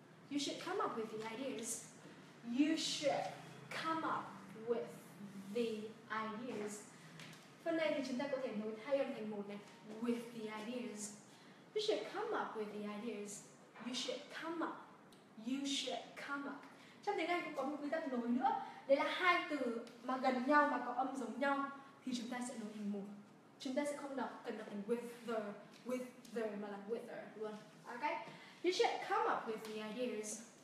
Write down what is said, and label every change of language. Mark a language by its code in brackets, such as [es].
[en] You should come up with the ideas. You should come up with the ideas. [vi] Phần này thì chúng ta có thể nối thay âm thành một này. [en] With the ideas. You should come up with the ideas. You should come up. You should come up. [vi] Trong tiếng Anh cũng có một quy tắc nối nữa. Đấy là hai từ mà gần nhau mà có âm giống nhau thì chúng ta sẽ nối thành một. Chúng ta sẽ không đọc cần đọc thành with the mà là wither luôn. [en] Ok. You should come up with the ideas.